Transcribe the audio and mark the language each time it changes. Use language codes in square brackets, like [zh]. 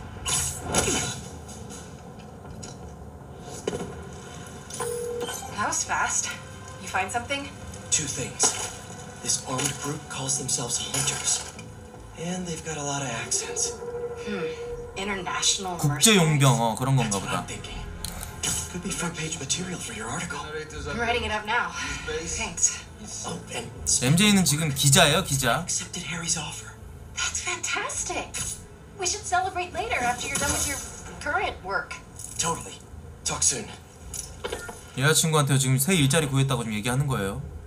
[en] That was fast. You find something? Two things. This armed group calls themselves hunters. And they've got a lot of accents. International [ko] 국제 용병 그런 건가 보다. [en] Could be front page material for your article. I'm writing it up now. Thanks. Oh, and [ko] MJ는 지금 기자예요, 기자. [en] Accepted Harry's offer. That's fantastic. We should celebrate later after you're done with your current work. Totally. Talk soon. [ko] 여자친구한테 지금 새 일자리 구했다고 지금 얘기하는 거예요.